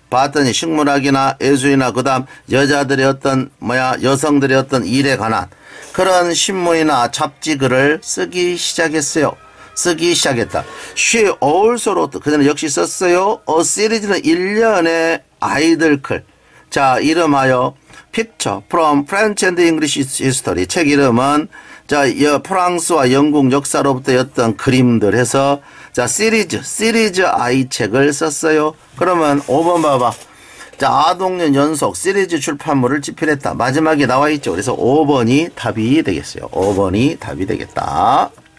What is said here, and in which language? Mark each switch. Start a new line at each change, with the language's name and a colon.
Korean: 봤더니 식물학이나 예술이나 그다음 여자들의 어떤 뭐야 여성들의 어떤 일에 관한 그런 신문이나 잡지 글을 쓰기 시작했어요. 쓰기 시작했다.
English: She also wrote.
Korean: 그녀는 역시 썼어요. A 시리즈는 1년의 아이들 글. 자, 이름하여
English: Picture from French and English History.
Korean: 책 이름은 자, 프랑스와 영국 역사로부터였던 그림들 해서 자, 시리즈 아이 책을 썼어요. 그러면 5번 봐봐. 자, 아동년 연속 시리즈 출판물을 집필했다. 마지막에 나와 있죠. 그래서 5번이 답이 되겠어요. 5번이 답이 되겠다.